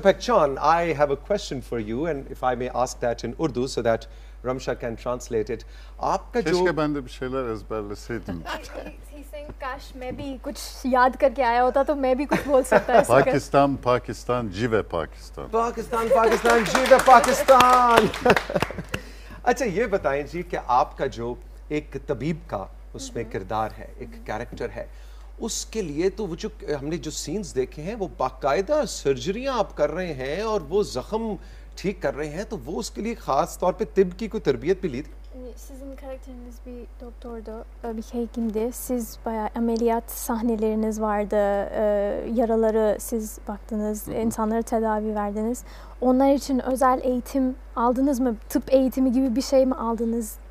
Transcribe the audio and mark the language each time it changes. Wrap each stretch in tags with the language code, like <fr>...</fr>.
<en>Pekcan, I have a question for you, and if I may ask that in Urdu, so that Ramsha can translate it. Aapka jo keshke bande bhi shailar as pehle seedin.</en> <hi>काश मैं भी कुछ याद करके आया होता तो मैं भी कुछ बोल सकता था। पाकिस्तान पाकिस्तान जीवे पाकिस्तान। पाकिस्तान पाकिस्तान जीवे पाकिस्तान। अच्छा ये बताएं जी कि आपका जो एक तबीब का उसमें किरदार है, एक कैरेक्टर है, उसके लिए तो वो जो हमने जो सीन्स देखे हैं वो बाकायदा सर्जरियां आप कर रहे हैं और वो जख्म ठीक कर रहे हैं, तो वो उसके लिए खास तौर पर तिब की कोई तरबियत भी ली थी?</hi> <tr>Sizin karakteriniz bir doktordu, bir hekimdi. Siz bayağı ameliyat sahneleriniz vardı, yaraları siz baktınız, insanlara tedavi verdiniz. Onlar için özel eğitim aldınız mı? Tıp eğitimi gibi bir şey mi aldınız?</tr>